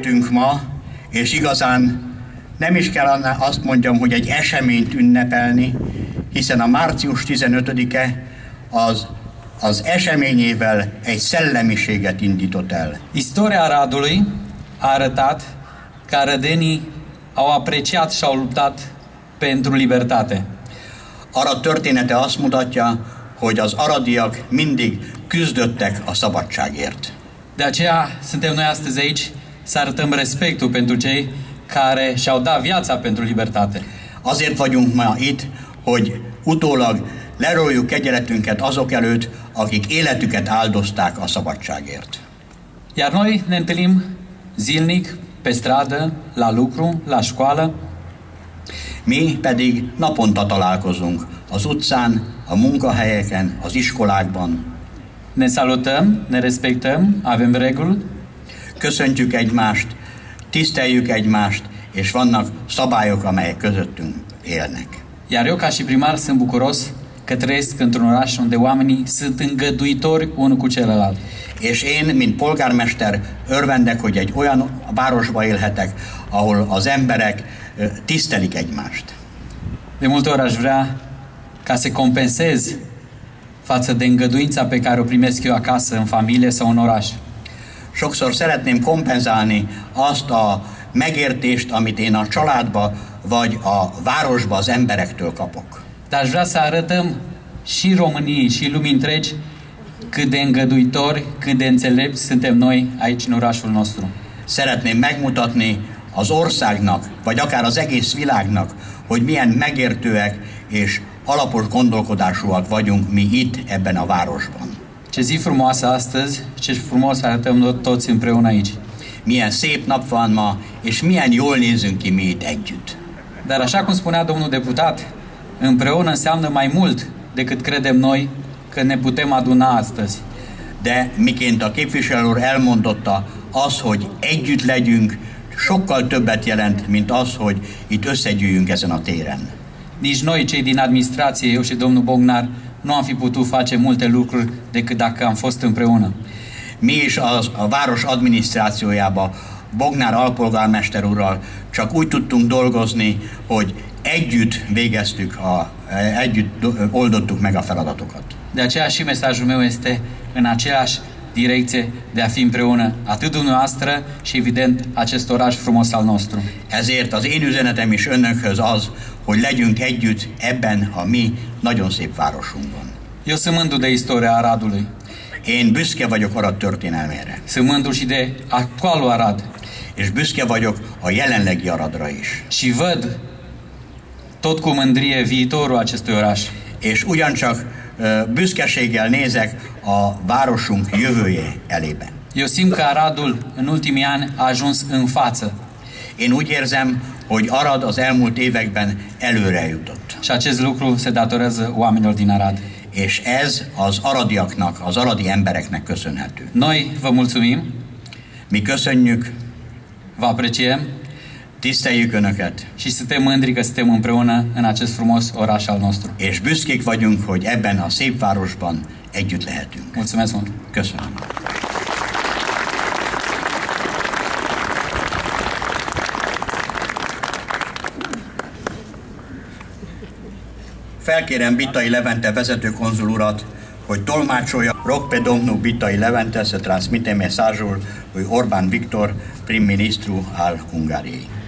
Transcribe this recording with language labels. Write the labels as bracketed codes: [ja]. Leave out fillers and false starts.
[hu] Ma, és igazán nem is kell annál azt mondjam, hogy egy eseményt ünnepelni, hiszen a március 15-e az eseményével egy szellemiséget indított el. [ro] Istoria Radului a arătat că rădenii au apreciat și au luptat pentru libertate. [hu] Arad története azt mutatja, hogy az aradiak mindig küzdöttek a szabadságért. [ro] De aceea suntem noi astăzi aici să arătăm respectul pentru cei care și-au dat viața pentru libertate. [hu] Azért vagyunk ma itt, hogy utólag leroljuk kegyeletünket azok előtt, akik életüket áldozták a szabadságért. [ro] Iar noi ne întâlnim zilnic, pe stradă, la lucru, la școală. [hu] Mi pedig naponta találkozunk az utcán, a munkahelyeken, az iskolákban. [ro] Ne salutăm, ne respectăm, avem reguli. [hu] Köszöntjük egymást, tiszteljük egymást, és vannak szabályok, amelyek közöttünk élnek. [ro] Iar eu, ca și primar, sunt bucuros că trăiesc într-un oraș unde oamenii sunt îngăduitori unul cu celălalt. [hu] És én, mint polgármester, örvendek, hogy egy olyan városba élhetek, ahol az emberek tisztelik egymást. [ro] De multe ori aș vrea ca să compensez față de îngăduința pe care o primesc eu acasă, în familie sau în oraș. [hu] Sokszor szeretném kompenzálni azt a megértést, amit én a családba vagy a városba az emberektől kapok. [ro] De aș vrea să arătăm și României și lumii întregi cât de îngăduitori, cât de înțelepți suntem noi aici în orașul nostru. [hu] Szeretném megmutatni az országnak, vagy akár az egész világnak, hogy milyen megértőek és alapos gondolkodásúak vagyunk mi itt ebben a városban. [ro] Ce zi frumoasă astăzi, ce frumos arătăm toți împreună aici. [hu] Milyen szép nap van ma, és milyen jól nézünk ki mi itt együtt. [ro] Dar așa cum spunea domnul deputat, împreună înseamnă mai mult decât credem noi că ne putem aduna astăzi. [hu] De miként a képviselő úr elmondotta, az, hogy együtt legyünk, sokkal többet jelent, mint az, hogy itt összegyűjünk ezen a téren. [ro] Nici noi, cei din administrație, eu și domnul Bognár, nu am fi putut face multe lucruri decât dacă am fost împreună. [hu] Mi is a város adminisztrációjába, Bognár alpolgármester úrral csak úgy tudtunk dolgozni, hogy együtt végeztük, együtt oldottuk meg a feladatokat. [ro] De aceea și mesajul meu este în aceeași direcție de a fi împreună atât dumneavoastră și evident acest oraș frumos al nostru. [hu] Ezért az én üzenetem is önökhöz az, hogy legyünk együtt ebben a mi nagyon szép városunkban. [ro] Eu sunt mândru de istoria Aradului. [hu] Én büszke vagyok Arad történelmére. [ro] Sunt mândru și de actualul Arad. [hu] És büszke vagyok a jelenlegi Aradra is. [ro] Și văd tot cu mândrie viitorul acestui oraș. [hu] És ugyancsak büszkeséggel nézek a városunk jövője elébe. [ro] Eu simt că Aradul în ultimii ani a ajuns în față. [hu] Én úgy érzem, hogy Arad az elmúlt években előre jutott. [ro] Și acest lucru se datorează oamenilor din Arad. [hu] És ez az aradiaknak, az aradi embereknek köszönhető. [ro] Noi vă mulțumim. [hu] Mi köszönjük. [ro] Vă apreciem. [hu] Tiszteljük Önöket. [ro] Și suntem mândri că suntem împreună în acest frumos oraș al nostru. [hu] És büszkék vagyunk, hogy ebben a szép városban együtt lehetünk. [ro] Mulțumesc mult. [hu] Köszönöm. Felkérem Bitai Levente vezetőkonzul urat, hogy tolmácsolja Rokpedomnu Bitai Levente [ro] se transmite [hu] messzázsul, hogy Orbán Viktor primminisztru áll Hungáriai.